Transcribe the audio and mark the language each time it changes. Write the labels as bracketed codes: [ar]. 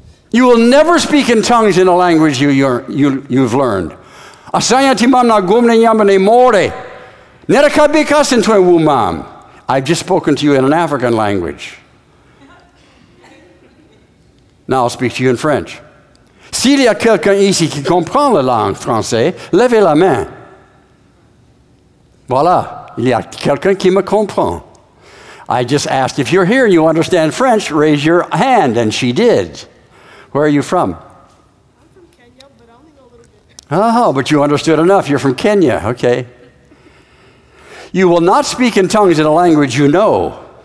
[en] You will never speak in tongues in a language you've learned. I've just spoken to you in an African language. Now I'll speak to you in French. [fr] S'il y a quelqu'un ici qui comprend la langue française, levez la main. Voilà, il y a quelqu'un qui me comprend. [en] I just asked, if you're here and you understand French, raise your hand, and she did. Where are you from? I'm from Kenya, but only a little bit. Oh, but you understood enough. You're from Kenya, okay. You will not speak in tongues in a language you know.